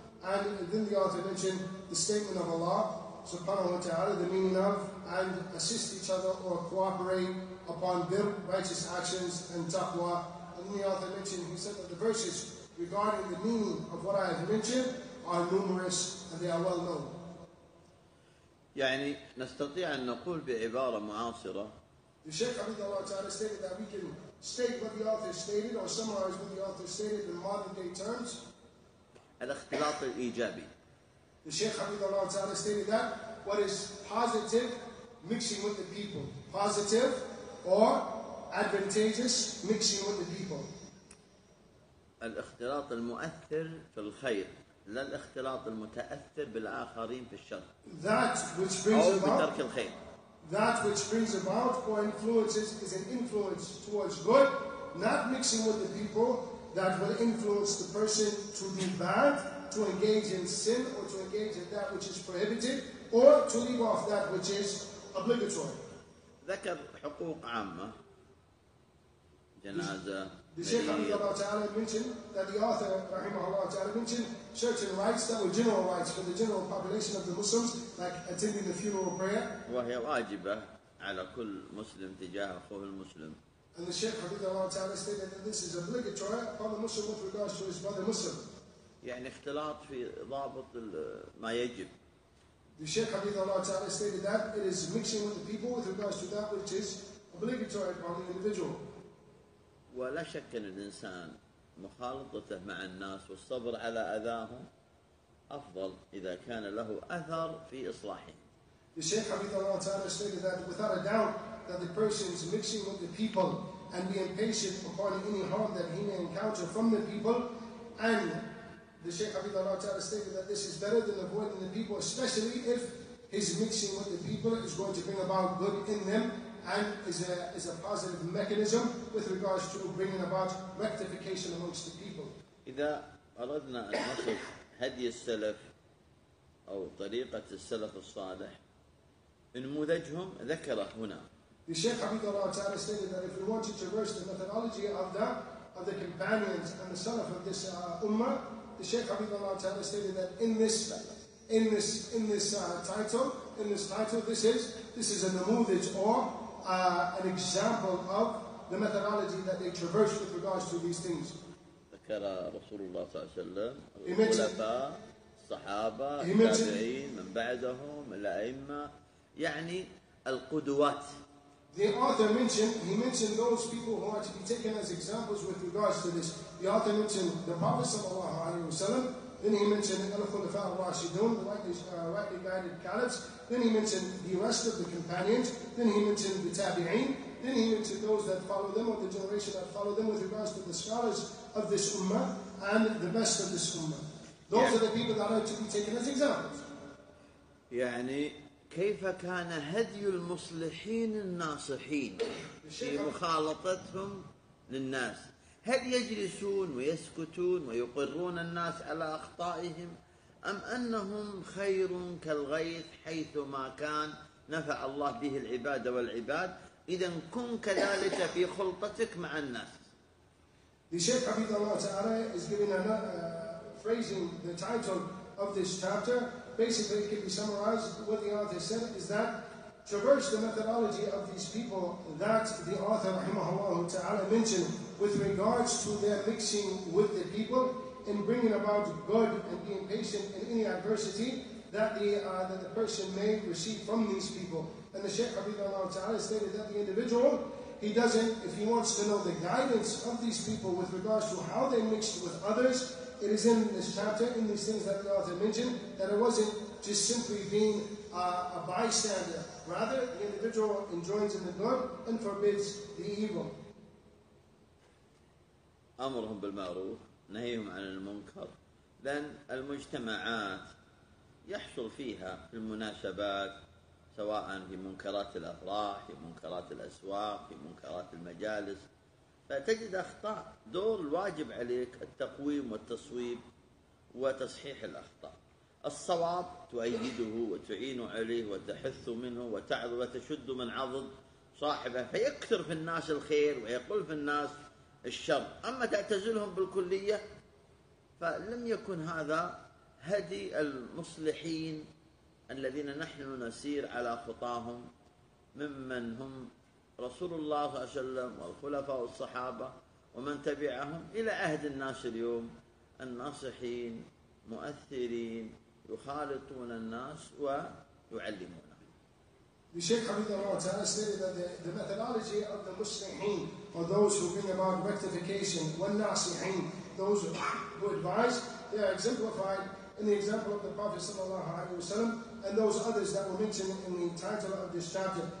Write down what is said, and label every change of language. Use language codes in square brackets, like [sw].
[en] And then the author mentioned the statement of Allah, subhanahu wa ta'ala, the meaning of, and assist each other or cooperate upon their righteous actions and taqwa. And then the author mentioned, he said that the verses regarding the meaning of what I have mentioned are numerous and they are well known. [ar] يعني نستطيع أن نقول بعبارة معاصرة. [en] The Shaykh Abid Allah Ta'ala stated that we can state what the author stated or summarize what the author stated in modern day terms. [ar] الاختلاط الإيجابي. [en] The Shaykh Abid Allah Ta'ala stated that what is positive, mixing with the people. Positive or advantageous, mixing with the people. [ar] الاختلاط المؤثر في الخير. لا الاختلاط المتأثر بالآخرين في الشر. [en] That which brings [ar] أو [en] about [ar] بترك الخير. [en] That which brings about or influences is an influence towards good, not mixing with the people that will influence the person to be bad, to engage in sin or to engage in that which is prohibited or to leave off that which is obligatory. [ar] ذكر حقوق عامة جنازة. [en] The Shaykh Abdullah Ta'ala mentioned that the author, rahimahullah ta'ala, mentioned certain rights that were general rights for the general population of the Muslims, like attending the funeral prayer. [ar] وهي واجبة على كل مسلم تجاه أخوه المسلم. [en] And the Shaykh Abdullah Ta'ala stated that this is obligatory upon the Muslim with regards to his brother Muslim. [ar] يعني اختلاط في ضابط ما يجب. [en] The Shaykh Abdullah Ta'ala stated that it is mixing with the people with regards to that which is obligatory upon the individual. [ar] ولا شك أن الإنسان مخالطته مع الناس والصبر على أذاهم أفضل إذا كان له أثر في إصلاحهم. [en] The Shaykh Habib Allah Ta'ala stated that without a doubt that the person is mixing with the people and being patient upon any harm that he may encounter from the people, and the Shaykh Habib Allah Ta'ala stated that this is better than avoiding the people, especially if his mixing with the people is going to bring about good in them and is a positive mechanism with regards to bringing about rectification amongst the people. [ar] إذا أردنا أن نصف هدي السلف أو طريقة السلف الصالح نموذجهم ذكره هنا. [en] The Shaykh Habib Allah Ta'ala stated that if we want to traverse the methodology of the companions and the salaf of this ummah, the Shaykh Habib Allah Ta'ala stated that in this title, this is a namudaj or an example of the methodology that they traverse with regards to these things. [ar] ذكره رسول الله صلى الله عليه وسلم الخلفاء الصحابة التابعين من بعدهم الأئمة يعني القدوات. [en] The author mentioned, he mentioned those people who are to be taken as examples with regards to this. The author mentioned the Prophet [ar] صلى الله عليه وسلم, [en] Then he mentioned Al-Khulafa al-Rashidun, rightly guided caliphs. Then he mentioned the rest of the companions. Then he mentioned the Tabi'een. Then he mentioned those that follow them, or the generation that follow them, with regards to the scholars of this ummah and the best of this ummah. Those are the people that are to be taken as examples. [ar] يعني كيف كان هدي المصلحين الناصحين في مخالطتهم للناس؟ هل يجلسون ويسكتون ويقرون الناس على أخطائهم، أم أنهم خير كالغيث حيثما كان نفع الله به العباد والعباد؟ إذن كن كذلك في خلطتك مع الناس. [en] The Shaykh Hafidh Allah Ta'ala is giving a phrasing the title of this chapter. Basically, it can be summarized. What the author said is that traverse the methodology of these people that the author, rahimahullah ta'ala, mentioned with regards to their mixing with the people and bringing about good and being patient in any adversity that the person may receive from these people. And the Shaykh Hafidhahullah ta'ala stated that the individual, he doesn't, if he wants to know the guidance of these people with regards to how they mixed with others, it is in this chapter, in these things that the author mentioned, that it wasn't just simply being a bystander. Rather, the individual enjoins in the good and forbids the evil. [ar] أمرهم بالمعروف نهيهم عن المنكر. لأن المجتمعات يحصل فيها في المناسبات، سواء في منكرات الأفراح، في منكرات الأسواق، في منكرات المجالس، فتجد أخطاء. دور الواجب عليك التقويم والتصويب وتصحيح الأخطاء. الصواب تؤيده وتعين عليه وتحث منه وتعظ وتشد من عضد صاحبه، فيكثر في الناس الخير ويقل في الناس الشر. أما تعتزلهم بالكلية فلم يكن هذا هدي المصلحين الذين نحن نسير على خطاهم، ممن هم رسول الله صلى الله عليه وسلم والخلفاء والصحابة ومن تبعهم إلى عهد الناس اليوم، الناصحين مؤثرين يخالطون الناس ويعلمون. [en] The Shaykh Hafidh Allah Ta'ala stated that the methodology of the Muslimin, or those who bring about rectification, والناصحين, those who advise, they are exemplified in the example of the Prophet sallallahu alayhi wa sallam and those others that were mentioned in the title of this chapter.